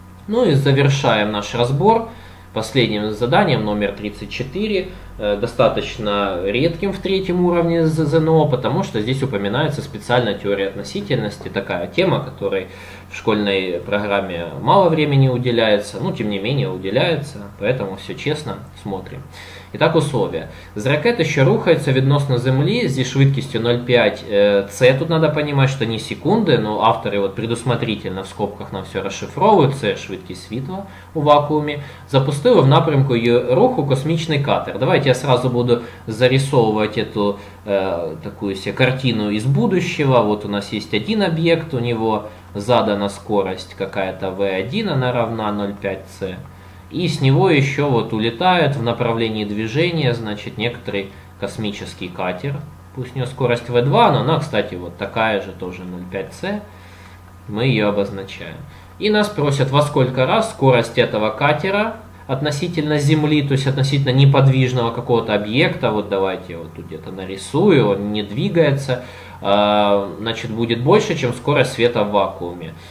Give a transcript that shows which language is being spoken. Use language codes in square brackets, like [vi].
[ru] Ну и завершаем наш разбор последним заданием номер 34, достаточно редким в третьем уровне ЗНО, потому что здесь упоминается специальная теория относительности, такая тема, которой в школьной программе мало времени уделяется, но тем не менее уделяется, поэтому все честно смотрим. Итак, условия. [uk] З ракети, що рухається відносно Землі зі швидкістю 0,5, це тут треба розуміти, що не секунди, але автори от [ru] предусмотрительно в скобках нам все [uk] розшифровують, це швидкість світла у вакуумі, запустили в напрямку її руху космічний катер. [ru] Давайте я сразу буду [uk] зарисовувати цю таку картину із [ru] будущего. [uk] От у нас є один об'єкт, у нього задана [ru] скорость какая-то [uk] V1, вона [ru] равна [uk] 0,5C. [ru] И с него еще вот улетает в направлении движения, значит, некоторый космический катер. Пусть у него скорость V2, но она, кстати, вот такая же тоже 0,5C. Мы ее обозначаем. И нас просят, во сколько раз скорость этого катера относительно Земли, то есть относительно неподвижного какого-то объекта, вот давайте я вот тут где-то нарисую, он не двигается, значит, будет больше, чем скорость света в вакууме.